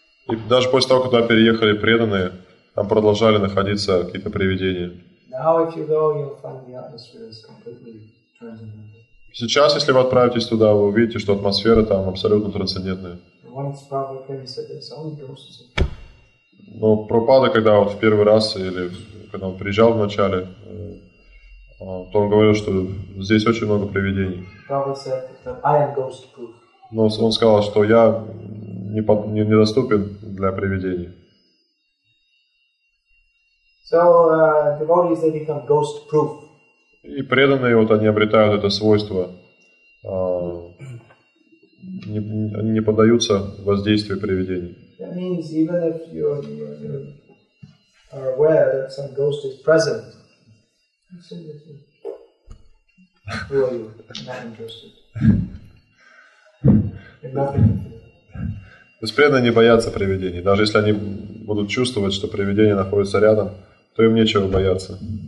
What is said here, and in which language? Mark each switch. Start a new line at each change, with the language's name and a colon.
Russian: И даже после того, когда переехали преданные, там продолжали находиться какие-то привидения.
English: Now, if you go, you'll find the atmosphere is completely transcendental.
Russian: Сейчас, если вы отправитесь туда, вы увидите, что атмосфера там абсолютно трансцендентная.
English: Once Prabhupada came, he said there's only ghosts.
Russian: Но Прабхупада, когда вот в первый раз, или когда он приезжал в начале, то он говорил, что здесь очень много привидений.
English: Prabhupada said, I am ghost-proof.
Russian: Но он сказал, что я недоступен для привидений.
English: So devotees they become ghost proof.
Russian: И преданные вот они обретают это свойство, они не поддаются воздействию привидений.
English: That means even if you are aware that some ghost is present, who are you? Not interested.
Russian: То есть преданные не боятся привидений. Даже если они будут чувствовать, что привидение находится рядом, то им нечего бояться.